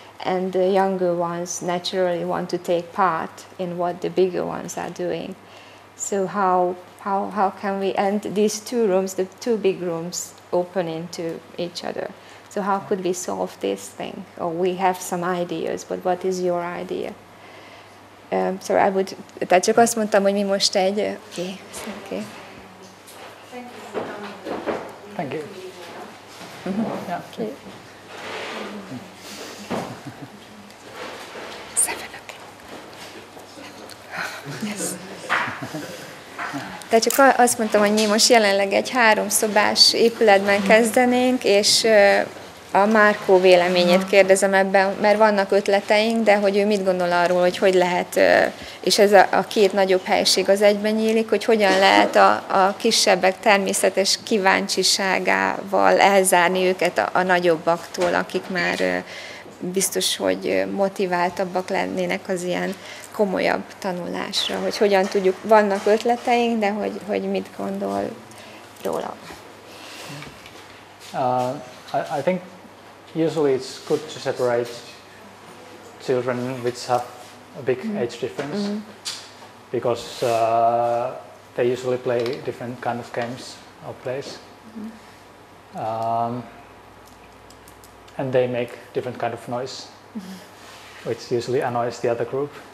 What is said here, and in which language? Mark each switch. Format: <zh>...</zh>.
<en>And the younger ones naturally want to take part in what the bigger ones are doing. So how can we... And these two rooms, the two big rooms, open into each other. So how could we solve this thing? Or we have some ideas, but what is your idea? Sorry, I would...</en> <hu>Tehát csak azt mondtam, hogy mi most egy...</hu> <en>Okay. Thank you. Thank you. Yeah. Okay. 7, okay. Yes.</en> <hu>Tehát csak azt mondtam, hogy mi most jelenleg egy háromszobás épületben kezdenénk, és... A Marko véleményét kérdezem ebben, mert vannak ötleteink, de hogy ő mit gondol arról, hogy lehet, és ez a két nagyobb helység az egyben nyílik, hogy hogyan lehet a kisebbek természetes kíváncsiságával elzárni őket a nagyobbaktól, akik már biztos, hogy motiváltabbak lennének az ilyen komolyabb tanulásra, hogy hogyan tudjuk, vannak ötleteink, de hogy mit gondol róla.</hu> <en>I think usually it's good to separate children which have a big age difference because they usually play different kind of games or plays and they make different kind of noise which usually annoys the other group.</en>